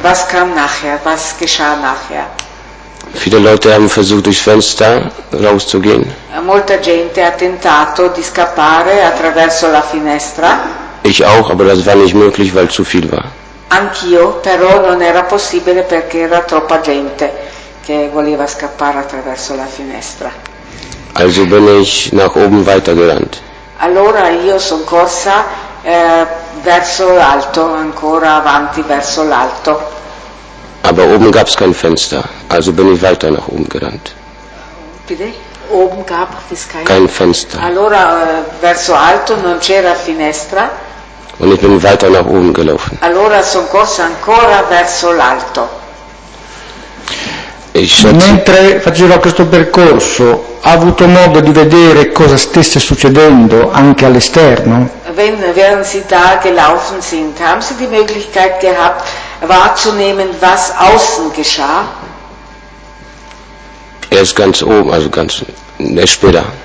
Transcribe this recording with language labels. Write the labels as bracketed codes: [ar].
[de] Was kam nachher? Was geschah nachher? Viele Leute haben versucht, durchs Fenster rauszugehen. [it] Molta gente ha tentato di scappare attraverso la finestra. [de] Ich auch, aber das war nicht möglich, weil zu viel war. [it] Anch'io, però non era possibile perché era troppa gente che voleva scappare attraverso la finestra. [de] Also bin ich nach oben weitergerannt. [it] Allora io sono corsa verso l'alto, ancora avanti verso l'alto. [de] Aber oben gab es kein Fenster, also bin ich weiter nach oben gerannt. Bitte? Oben gab es kein Fenster. [it] Allora verso alto non c'era finestra. [de] Und ich bin weiter nach oben gelaufen. [it] Allora sono corsa ancora verso l'alto. Mentre faceva questo percorso, ha avuto modo di vedere cosa stesse succedendo anche all'esterno? [de] Während Sie da gelaufen sind, haben Sie die Möglichkeit gehabt, wahrzunehmen, was außen geschah? Erst ganz oben, also ganz später.